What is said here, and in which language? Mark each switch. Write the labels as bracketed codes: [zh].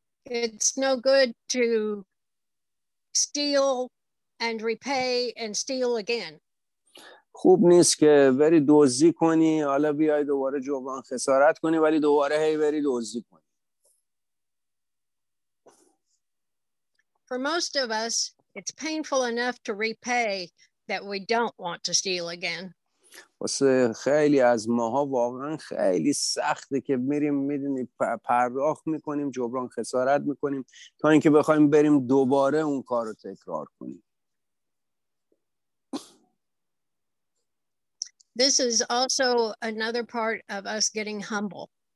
[en] It's no good to steal and repay and steal again. [fa] خوب نیست که بری دزدی کنی حالا بیای دوباره جبران خسارت کنی ولی دوباره هی بری دزدی کنی. [en] For most of us, it's painful enough to repay that we don't want to steal again. [fa] واسه خیلی از ماها واقعا خیلی سخته که میریم میدونی پرداخت میکنیم جبران خسارت میکنیم تا اینکه بخوایم بریم دوباره اون کار رو تکرار کنیم. [en] This is also another part of us getting humble.